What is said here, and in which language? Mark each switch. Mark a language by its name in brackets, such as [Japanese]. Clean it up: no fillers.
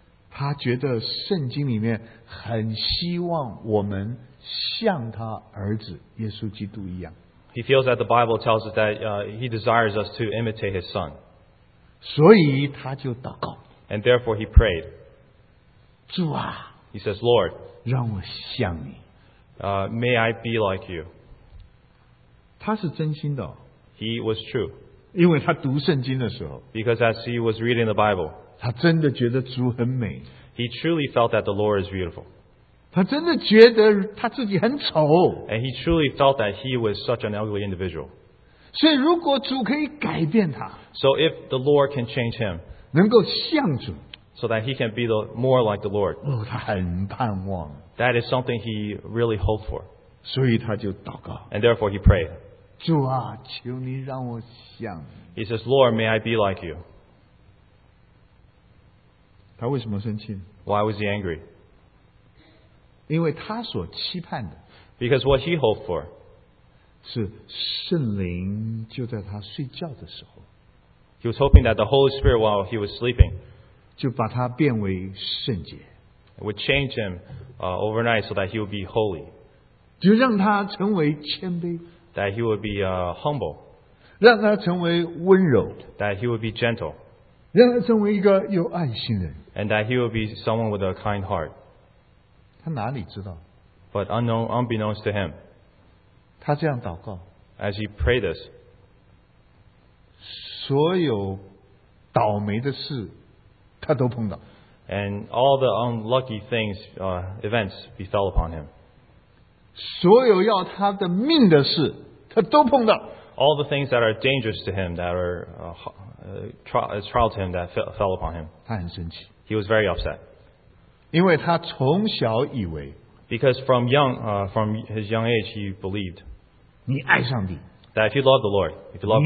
[Chinese] 他觉得圣经里面很希望我们像他儿子耶稣基督一样。 [English] He feels that the Bible tells us that he desires us to imitate his son. [Chinese] 所以他就祷告。 [English] And therefore he prayed. [Chinese] 主啊。 [English] He says, Lord, [Chinese] 让我像你。 [English] May I be like you. [Chinese] 他是真心的。 [English] He was true. [Chinese] 因为他读圣经的时候。 [English] Because as he was reading the Bible. [Chinese] 他真的觉得主很美。 [English] He truly felt that the Lord is beautiful. [Chinese] 他真的觉得他自己很丑。 [English] And he truly felt that he was such an ugly individual. [Chinese] 所以如果主可以改变他。 [English] So if the Lord can change him. [Chinese] 能够像主。 [English] So that he can be the, more like the Lord. [Chinese] 哦，他很盼望。 [English] That is something he really hoped for. [Chinese] 所以他就祷告。 [English] And therefore he prayed. [Chinese] 主啊，求你让我像。 [English] He says, Lord, may I be like you. [Chinese] 他为什么生气？ [English] Why was he angry? [Chinese] 因为他所期盼的。 [English] Because what he hoped for. [Chinese] 是圣灵就在他睡觉的时候。 [English] He was hoping that the Holy Spirit while he was sleeping. [Chinese] 就把他变为圣洁。 [English] It would change him overnight so that he would be holy. [Chinese] 就让他成为谦卑。 [English] That he would be humble. [Chinese] 让他成为温柔。 [English] That he would be gentle. [Chinese] 让他成为一个有爱心人。 [English] And that he would be someone with a kind heart. [Chinese] 他哪里知道？ [English] But unbeknownst to him. [Chinese] 他这样祷告。 [English] As he prayed this. [Chinese] 所有倒霉的事他都碰到。 [English] And all the unlucky things, events befell upon him. [Chinese] 所有要他的命的事他都碰到。 [English] All the things that are dangerous to him, that are trial to him, that fell upon him. [Chinese] 他很生气。 [English] He was very upset. [Chinese] 因为他从小以为。 [English] Because from young, from his young age, he believed. [Chinese] 你爱上帝。 [English] That if you love the Lord, if you love God,